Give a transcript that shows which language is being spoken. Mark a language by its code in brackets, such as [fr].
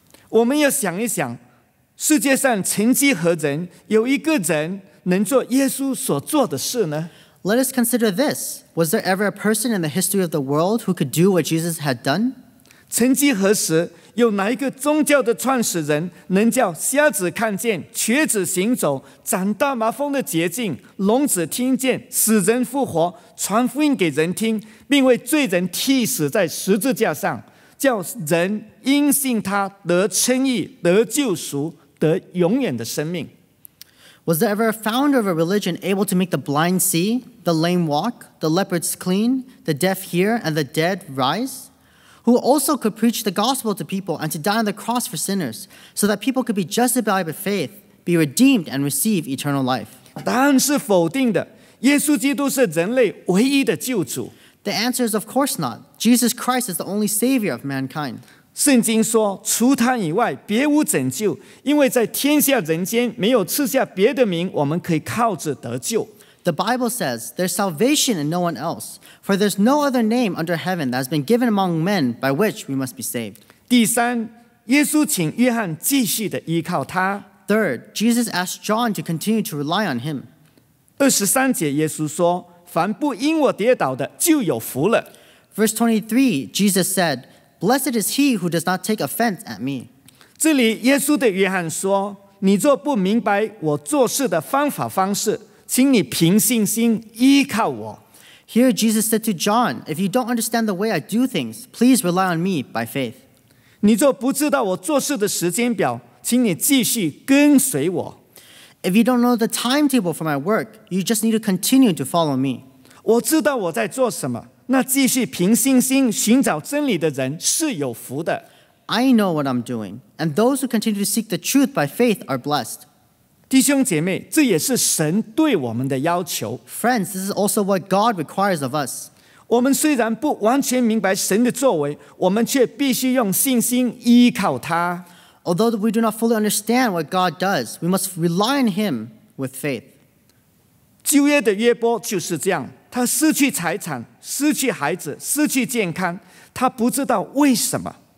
[zh] 我们要想一想，世界上曾几何人，有一个人能做耶稣所做的事呢？ [en] Let us consider this. Was there ever a person in the history of the world who could do what Jesus had done? [zh] 曾几何时，有哪一个宗教的创始人能叫瞎子看见、瘸子行走、长大麻风的洁净、聋子听见、死人复活、传福音给人听，并为罪人替死在十字架上，叫人因信他得称义、得救赎、得永远的生命？ [en] Was there ever a founder of a religion able to make the blind see, the lame walk, the leopards clean, the deaf hear, and the dead rise? Who also could preach the gospel to people and to die on the cross for sinners, so that people could be justified by faith, be redeemed, and receive eternal life? [zh] 答案是否定的。耶稣基督是人类唯一的救主。 [en] The answer is of course not. Jesus Christ is the only savior of mankind. [zh] 圣经说除他以外别无拯救，因为在天下人间没有赐下别的名我们可以靠着得救。 [en] The Bible says there's salvation in no one else, for there's no other name under heaven that has been given among men by which we must be saved. [zh] 第三，耶稣请约翰继续的依靠他。 [en] Third, Jesus asked John to continue to rely on him. [zh] 二十三节耶稣说凡不因我跌倒的就有福了。 [en] Verse 23, Jesus saidBlessed is he who does not take offense at me. [zh] 这里耶稣对约翰说，你若不明白我做事的方法方式，请你凭信心依靠我。 [en] Here Jesus said to John, if you don't understand the way I do things, please rely on me by faith. [zh] 你若不知道我做事的时间表，请你继续跟随我。 [en] If you don't know the timetable for my work, you just need to continue to follow me. [zh] 我知道我在做什么，那继续凭信心寻找真理的人是有福的。 [en] I know what I'm doing, and those who continue to seek the truth by faith are blessed. [zh] 弟兄姐妹，这也是神对我们的要求。 [en] Friends, this is also what God requires of us. [zh] 我们虽然不完全明白神的作为，我们却必须用信心依靠他。 [en] Although we do not fully understand what God does, we must rely on him with faith. [zh] 旧约的约伯就是这样，他失去财产，失去孩子，失去健康，他不知道为什么。